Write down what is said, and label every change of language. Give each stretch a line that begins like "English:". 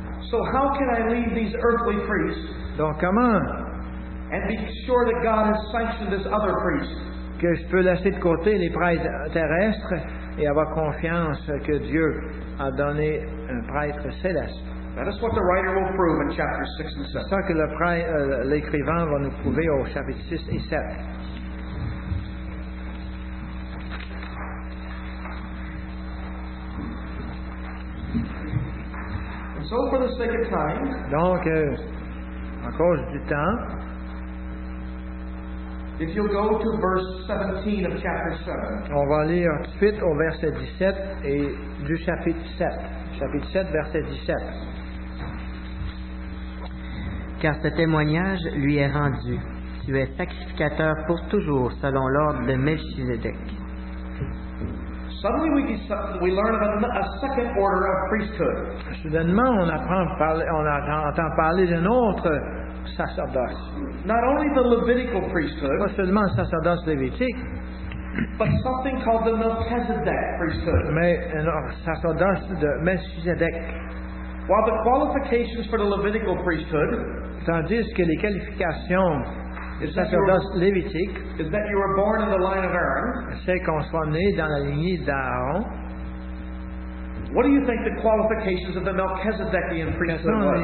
English: So how can I leave these earthly priests?
French: Donc comment?
English: And be sure that God has sanctioned this other priest.
French: Que je peux laisser de côté les prêtres terrestres et avoir confiance que Dieu a donné un prêtre céleste.
English: That is what the writer will prove in chapter 6 and 7.
French: C'est ça que l'écrivain va nous prouver au chapitre 6 et 7.
English: And so for the sake of time,
French: donc, à cause du temps,
English: if you'll go to verse 17 of chapter 7.
French: On va lire tout de suite au verset 17 et du chapitre 7. Chapitre 7, verset 17. Car ce témoignage lui est rendu. Tu es sacrificateur pour toujours selon l'ordre de Melchizedek.
English: Suddenly we learn of a second order of priesthood.
French: Soudainement, on entend parler d'un autre sacerdoce.
English: Not only the Levitical priesthood,
French: pas seulement le sacerdoce lévitique,
English: but something called the Melchizedek priesthood.
French: Mais un sacerdoce de Melchizedek.
English: While the qualifications for the Levitical priesthood,
French: tandis que les qualifications du sacerdoce lévitique,
English: is that you were born in the line of Aaron,
French: c'est qu'on soit né dans la lignée d'Aaron.
English: What do you think the qualifications of the Melchizedekian priesthood were?